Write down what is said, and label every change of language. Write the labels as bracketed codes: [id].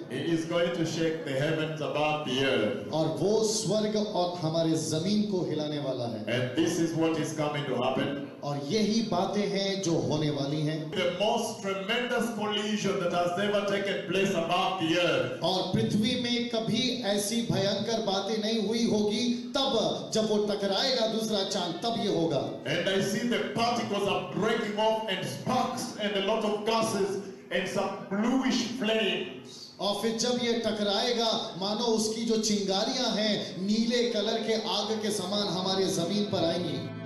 [en] He is going to shake the heavens above the earth, [hi] और वो स्वर्ग और हमारे ज़मीन को हिलाने वाला है, [en] and this is what is coming to happen, [hi] और यही बातें हैं जो होने वाली हैं, [en] the most tremendous collision that has ever taken place above the earth, [hi] और पृथ्वी में कभी ऐसी भयंकर बातें नहीं हुई होगी, तब जब वो टकराएगा दूसरा चांद तब ये होगा, [en] and I see the particles are breaking off and sparks and a lot of gases. And some bluish flames. [hi] और फिर जब ये टकराएगा, मानो उसकी जो चिंगारियां हैं, नीले कलर के आग के समान हमारे ज़मीन पर आएंगी।